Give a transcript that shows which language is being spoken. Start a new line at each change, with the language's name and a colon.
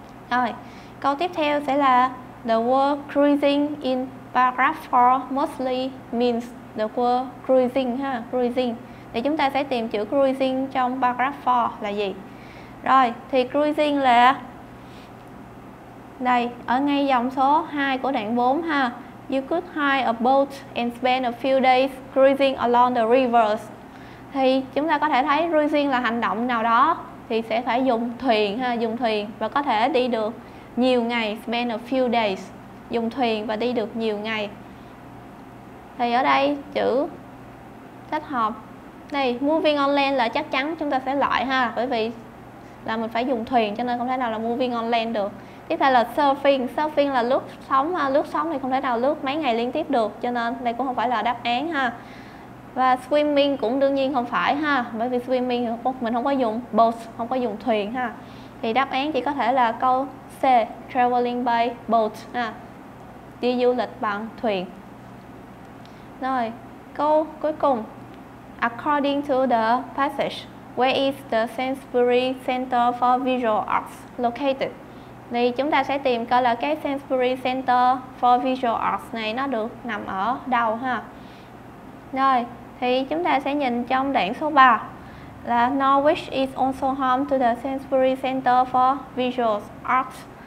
Vietnamese: Rồi, câu tiếp theo sẽ là
English: the word cruising in paragraph 4 mostly means the word cruising ha, cruising.
Vietnamese: Thì chúng ta sẽ tìm chữ cruising trong paragraph 4 là gì. Rồi, thì cruising là đây, ở ngay dòng số 2 của đoạn 4 ha.
English: You could hire a boat and spend a few days cruising along the rivers.
Vietnamese: Thì chúng ta có thể thấy cruising là hành động nào đó thì sẽ phải dùng thuyền ha, dùng thuyền và có thể đi được nhiều ngày,
English: spend a few days,
Vietnamese: dùng thuyền và đi được nhiều ngày. Thì ở đây chữ kết hợp Này,
English: moving on land
Vietnamese: là chắc chắn chúng ta sẽ loại ha, bởi vì là mình phải dùng thuyền cho nên không thể nào là
English: moving on land
Vietnamese: được. Tiếp theo là surfing. Surfing là lướt sóng, lướt sóng thì không thể nào lướt mấy ngày liên tiếp được, cho nên đây cũng không phải là đáp án ha. Và swimming cũng đương nhiên không phải ha, bởi vì swimming mình không có dùng boat, không có dùng thuyền ha. Thì đáp án chỉ có thể là câu C,
English: traveling by boat
Vietnamese: ha. Đi du lịch bằng thuyền. Rồi, câu cuối cùng.
English: According to the passage, where is the Sainsbury Center for Visual Arts located?
Vietnamese: Thì chúng ta sẽ tìm coi là cái Sainsbury Center for Visual Arts này nó được nằm ở đâu ha. Rồi, thì chúng ta sẽ nhìn trong đoạn số 3 là
English: Norwich is also home to the Sainsbury Center for Visual Arts.